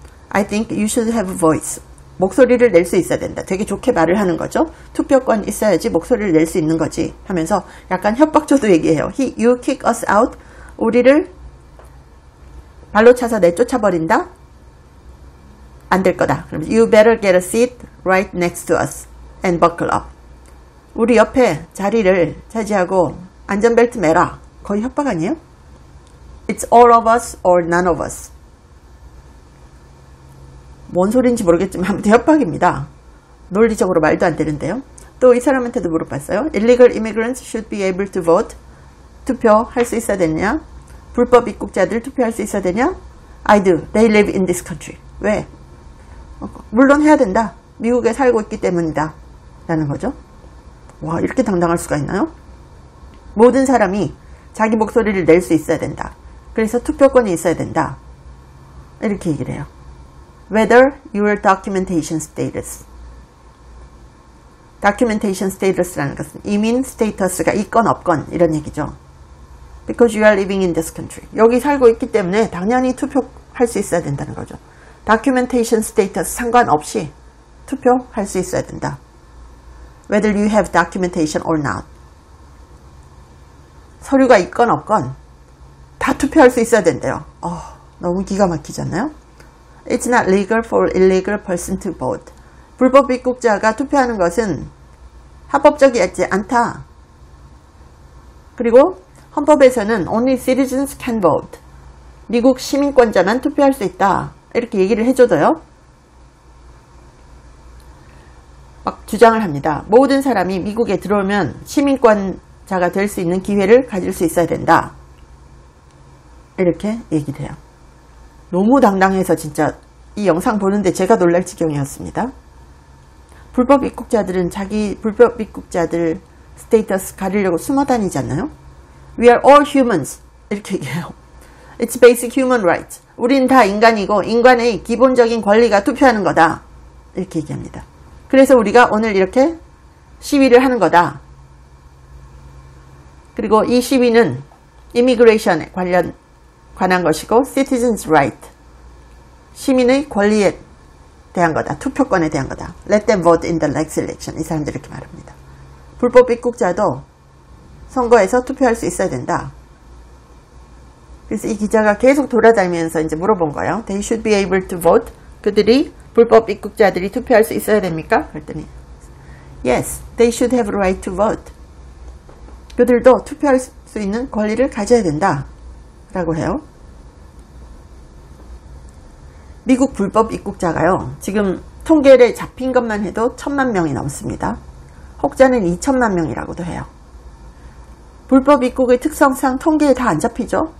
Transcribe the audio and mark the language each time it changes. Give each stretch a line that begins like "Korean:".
English: I think you should have a voice.
Korean: 목소리를 낼 수 있어야 된다. 되게 좋게 말을 하는 거죠. 투표권 있어야지 목소리를 낼 수 있는 거지 하면서 약간 협박조도 얘기해요.
English: You kick us out.
Korean: 우리를 발로 차서 내쫓아버린다? 안 될 거다.
English: You better get a seat right next to us and buckle up.
Korean: 우리 옆에 자리를 차지하고 안전벨트 매라. 거의 협박 아니에요?
English: It's all of us or none of us.
Korean: 뭔 소리인지 모르겠지만 아무튼 협박입니다. 논리적으로 말도 안 되는데요. 또 이 사람한테도 물어봤어요.
English: Illegal immigrants should be able to vote.
Korean: 투표할 수 있어야 되냐? 불법 입국자들 투표할 수 있어야 되냐?
English: I do. They live in this country.
Korean: 왜? 물론 해야 된다. 미국에 살고 있기 때문이다. 라는 거죠. 와, 이렇게 당당할 수가 있나요? 모든 사람이 자기 목소리를 낼 수 있어야 된다. 그래서 투표권이 있어야 된다. 이렇게 얘기를 해요.
English: Whether your documentation status.
Korean: Documentation status라는 것은 이민 status가 있건 없건 이런 얘기죠.
English: Because you are living in this country.
Korean: 여기 살고 있기 때문에 당연히 투표할 수 있어야 된다는 거죠. Documentation status 상관없이 투표할 수 있어야 된다.
English: Whether you have documentation or not.
Korean: 서류가 있건 없건 다 투표할 수 있어야 된대요. 너무 기가 막히지 않나요?
English: It's not legal for illegal person to vote.
Korean: 불법 입국자가 투표하는 것은 합법적이지 않다. 그리고 헌법에서는
English: only citizens can vote.
Korean: 미국 시민권자만 투표할 수 있다. 이렇게 얘기를 해줘도요. 막 주장을 합니다. 모든 사람이 미국에 들어오면 시민권자가 될 수 있는 기회를 가질 수 있어야 된다. 이렇게 얘기를 해요. 너무 당당해서 진짜 이 영상 보는데 제가 놀랄 지경이었습니다. 불법 입국자들은 자기 불법 입국자들 스테이터스 가리려고 숨어 다니지 않나요?
English: We are all humans.
Korean: 이렇게 얘기해요.
English: It's basic human rights.
Korean: 우린 다 인간이고 인간의 기본적인 권리가 투표하는 거다. 이렇게 얘기합니다. 그래서 우리가 오늘 이렇게 시위를 하는 거다. 그리고 이 시위는 immigration에 관한 것이고
English: citizens' rights.
Korean: 시민의 권리에 대한 거다. 투표권에 대한 거다.
English: Let them vote in the next election.
Korean: 이 사람들이 이렇게 말합니다. 불법 입국자도 선거에서 투표할 수 있어야 된다. 그래서 이 기자가 계속 돌아다니면서 이제 물어본 거예요.
English: They should be able to vote.
Korean: 그들이 불법 입국자들이 투표할 수 있어야 됩니까? 그랬더니
English: Yes, they should have a right to vote.
Korean: 그들도 투표할 수 있는 권리를 가져야 된다. 라고 해요. 미국 불법 입국자가요. 지금 통계를 잡힌 것만 해도 천만 명이 넘습니다. 혹자는 2천만 명이라고도 해요. 불법 입국의 특성상 통계에 다 안 잡히죠?